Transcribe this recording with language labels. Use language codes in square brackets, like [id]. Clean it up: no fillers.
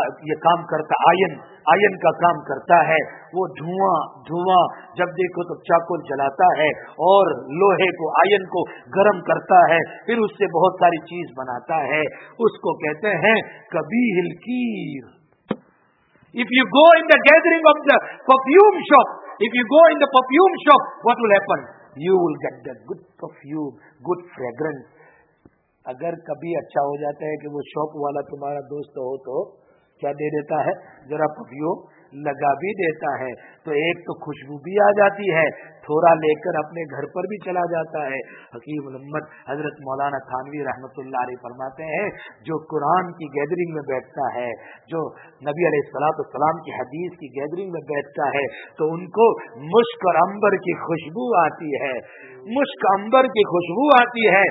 [ur] یہ کام کرتا, آئین کا کام کرتا ہے, وہ دھواں جب دیکھو تو چاقو جلاتا ہے اور لوہے کو, آئین کو گرم کرتا ہے, پھر اس سے بہت ساری چیز بناتا ہے, اس کو کہتے ہیں کبیہ الکیر. [en] If you go in the gathering of the perfume shop, if you go in the perfume shop, what will happen? You will get that good perfume, good fragrance. [ur] اگر کبھی اچھا ہو جاتا ہے کہ وہ شاپ والا تمہارا دوست ہو تو کیا دے دیتا ہے, ذرا پرفیوم لگا بھی دیتا ہے تو ایک تو خوشبو بھی آ جاتی ہے, تھوڑا لے کر اپنے گھر پر بھی چلا جاتا ہے. حکیم الامت حضرت مولانا تھانوی رحمت اللہ علیہ فرماتے ہیں, جو قرآن کی گیدرنگ میں بیٹھتا ہے, جو نبی علیہ الصلوۃ والسلام کی حدیث کی گیدرنگ میں بیٹھتا ہے, تو ان کو مشک اور عنبر کی خوشبو آتی ہے, مشک عنبر کی خوشبو آتی ہے.